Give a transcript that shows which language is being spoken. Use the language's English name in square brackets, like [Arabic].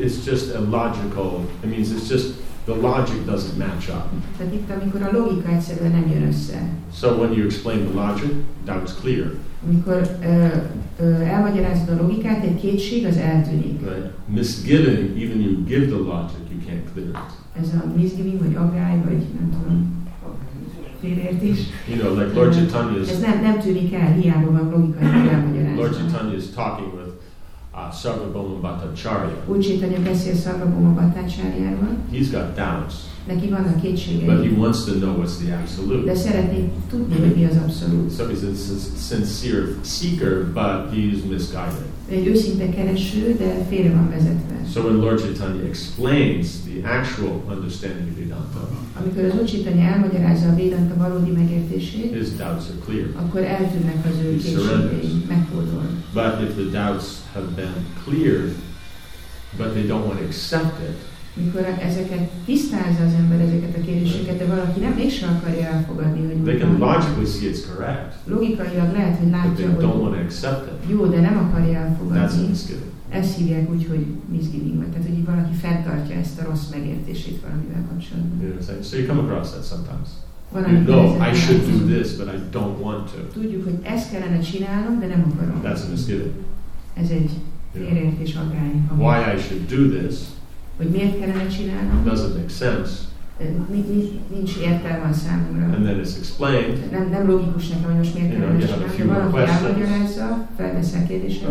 [English] it's just a logical, it means it's just the logic doesn't match up. [Hungarian] Tehát itt, amikor a logika egyszerűen nem jön össze. [English] So when you explain the logic, doubt's clear. [Hungarian] Amikor elmagyarázod a logikát, egy kétség az eltűnik. [English] Right. Misgiving, even you give the logic, you can't clear it. [Hungarian] Ez a misgiving, vagy aggály, vagy nem tudom, félértés. [English] You know, like Lord Chaitanya's... [Hungarian] Ez nem tűnik el, hiába van logikai elmagyarázva. [English] Lord Chaitanya's talking with Sarvabhauma Bhattacharya. [Hungarian] Úgy Chaitanya beszél Sarvabhauma Bhattacharyával. [English] He's got doubts. [Hungarian] Neki vannak kétségei. [English] But he wants to know what's the absolute. [Hungarian] De szeretné tudni, hogy mi az abszolút. [English] So he's a sincere seeker, but he's misguided. [Hungarian] Egy őszinte kereső, de félre van vezetve. [English] So when Lord Chaitanya explains the actual understanding of Vedanta, [Hungarian] amikor az Úgy Chaitanya elmagyarázza a Vedanta valódi megértését, [English] his doubts are clear. [Hungarian] Akkor eltűnnek az ő kétségei, megfordul. [English] But if the doubts have been cleared, but they don't want to accept it, [Hungarian] mikor ezeket tisztázza az ember ezeket a kérdéseket, de valaki nem mégsem akarja elfogadni, hogy [English] they can logically see it's correct. [Hungarian] Logikailag lehet, hogy látja, [English] but they don't [Hungarian] hogy [English] want to accept it. [Hungarian] Jó, de nem akarja elfogadni. [English] That's a misgiving. [Hungarian] Ezt hívják úgy, hogy misgiving, vagy tehát, hogy valaki fenntartja ezt a rossz megértését valamivel kapcsolatban. [English] Yeah, so you come across that sometimes. [Hungarian] Van, [English] you know, I should do this, but I don't want to. [Hungarian] Tudjuk, hogy ezt kellene csinálnom, de nem akarom. [English] That's a misgiving. [Hungarian] Ez egy félreértés aggály. [English] Why I should do this, [Hungarian] hogy miért kellene csinálnom? [English] Doesn't make sense. [Hungarian] Nincs értelme a számomra. [English] And then it's explained. [Hungarian] Nem logikus nekem, hogy most miért kellene csinálni. Ha valaki elmagyarázza, felvesz a kérdéseket.